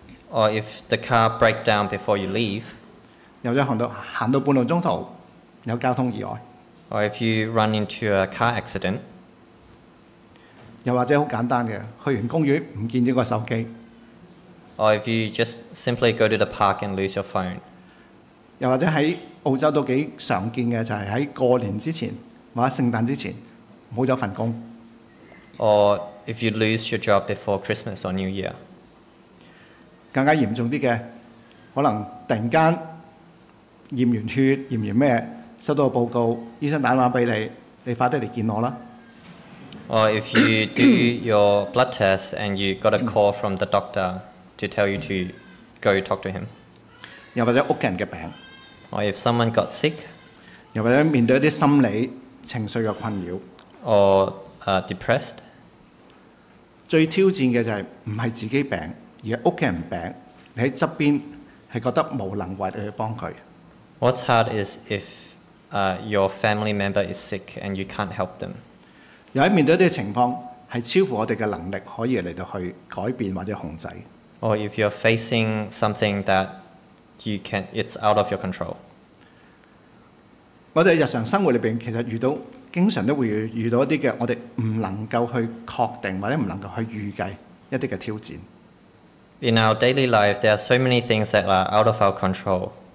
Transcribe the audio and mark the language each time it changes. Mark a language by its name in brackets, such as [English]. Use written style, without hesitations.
[English] Or if the car breaks down before you leave, [Cantonese] 又或者行到半路中途有交通意外。 [English] Or if you run into a car accident, [Cantonese] 又或者好簡單嘅去完公園唔見咗個手機。 [English] Or if you just simply go to the park and lose your phone, [Cantonese] 又或者喺澳洲都幾常見嘅就係喺過年之前。或者聖誕之前冇咗份工。 [English] Or if you lose your job before Christmas or New Year。 [Cantonese] 更加嚴重啲嘅，可能突然間驗完血、驗完咩，收到個報告，醫生打電話俾你，你快啲嚟見我啦。 [English] Or if you do your blood test and you got a call from the doctor to tell you to go talk to him。 [Cantonese] 又或者屋企人嘅病。 [English] Or if someone got sick。 [Cantonese] 又或者面對一啲心理。情緒的困擾 [English] or depressed. [Cantonese] 最挑戰的就是不是自己病，而是屋企人病，你喺側邊係覺得無能為力去幫佢。 [English] What's hard is if your family member is sick and you can't help them. [Cantonese] 又喺面對一啲情況係超乎我哋嘅能力可以嚟到去改變或者控制。 [English] Or if you're facing something that you can, it's out of your control. [Cantonese] 我哋日常生活裏邊，其實遇到經常都會遇到一啲嘅，我哋唔能夠去確定或者唔能夠去預計一啲嘅挑戰。 [English] In our daily life, there are so many things that are out of our control。